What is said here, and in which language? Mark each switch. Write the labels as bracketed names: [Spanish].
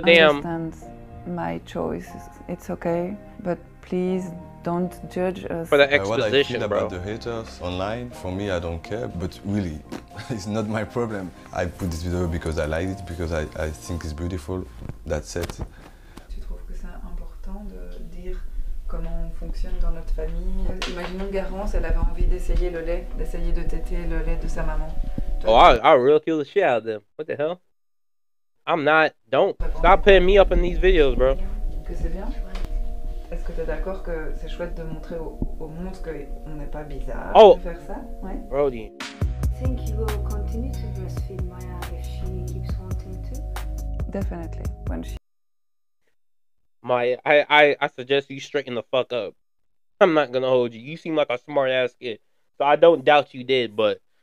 [English] understand damn. My choices. It's okay, but please don't judge us for the exposition, what I feel bro. About the haters online, for me, I don't care. But really, it's not my problem. I put this video because I like it, because I think it's beautiful. That's it. [French] Tu trouves que c'est important de dire comment on fonctionne dans notre famille? Imaginons Garance, elle avait envie d'essayer le lait, d'essayer de téter le lait de sa maman. [English] Oh, I'll real kill the shit out of them. What the hell? I'm not. Don't stop putting me up in these videos, bro. [French] Que c'est bien. Est-ce que t'es d'accord que c'est chouette de montrer au monde que on n'est pas bizarre oh. De faire ça? Ouais. [English] Brody. Think you will continue to breastfeed Maya if she keeps wanting to? Definitely. When she. Maya, I suggest you straighten the fuck up. I'm not gonna hold you. You seem like a smart ass kid, so I don't doubt you did, but.